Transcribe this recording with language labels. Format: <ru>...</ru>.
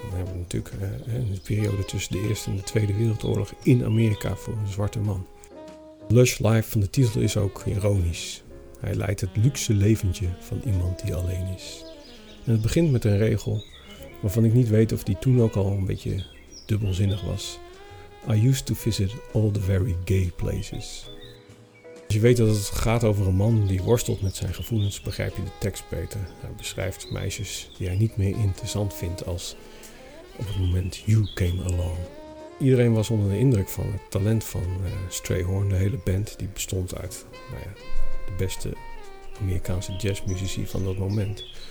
<nl>Dan hebben we natuurlijk de periode tussen de Eerste en de Tweede Wereldoorlog in Amerika voor een zwarte man. Lush Life van de titel is ook ironisch. Hij leidt het luxe leventje van iemand die alleen is. En het begint met een regel waarvan ik niet weet of die toen ook al een beetje dubbelzinnig was.</nl> <en>I used to visit all the very gay places.</en> <nl>Als je weet dat het gaat over een man die worstelt met zijn gevoelens, begrijp je de tekst beter. Hij beschrijft meisjes die hij niet meer interessant vindt als op het moment You Came Along. Iedereen was onder de indruk van het talent van Strayhorn, de hele band. Die bestond uit de beste Amerikaanse jazzmuzici van dat moment.</nl>